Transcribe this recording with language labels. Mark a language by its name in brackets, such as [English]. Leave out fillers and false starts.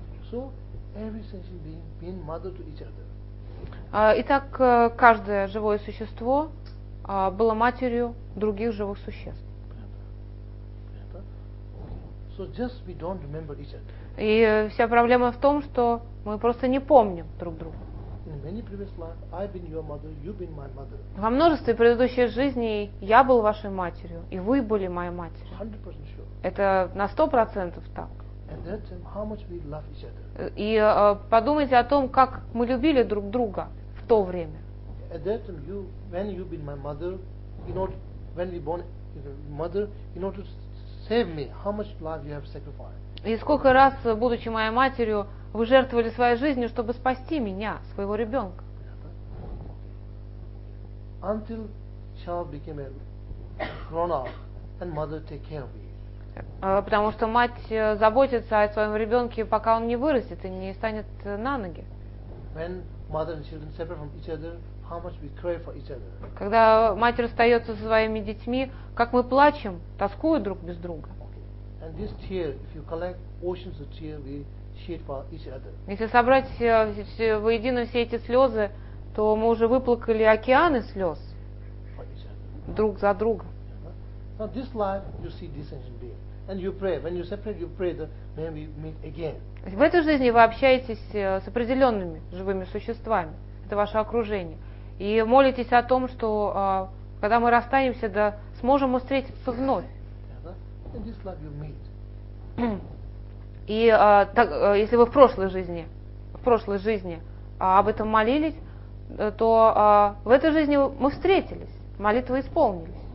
[English] So, every sentient being being mother to each other. [Russian] Итак, каждое живое существо было матерью других живых существ. [English] So just we don't remember each other. [Russian] И вся проблема в том, что мы просто не помним друг друга. [English] In many previous life, I've been your mother, you've been my mother. [Russian] Во множестве предыдущих жизней я был вашей матерью, и вы были моей матерью. [English] 100% sure. [Russian] Это на 100% так. [English] And that time, how much we love each other. [Russian] И подумайте о том, как мы любили друг друга в то время. [English] At that time, you, when you've been my mother, you know, when we born mother, in order to save me, how much love you have sacrificed. [Russian] И сколько раз, будучи моей матерью, вы жертвовали своей жизнью, чтобы спасти меня, своего ребенка. [English] Until child became a grown up and mother take care of you. [Russian] Потому что мать заботится о своем ребенке, пока он не вырастет и не станет на ноги. [English] When mother and children separate from each other, how much we cry for each other. [Russian] Когда мать расстается со своими детьми, как мы плачем, тоскуем друг без друга. [English] And this tear, if you collect oceans of tears, we shed for each other. [Russian] Если собрать воедино все эти слезы, то мы уже выплакали океаны слез друг за друга. [English] Now this life, you see this ancient being, and you pray. When you separate, you pray that may we meet again. [Russian] В этой жизни вы общаетесь с определенными живыми существами. Это ваше окружение. И молитесь о том, что когда мы расстанемся, да сможем мы встретиться вновь. [English] And this life you meet. [Russian] И так, если вы в прошлой жизни об этом молились, то в этой жизни мы встретились, молитвы исполнились.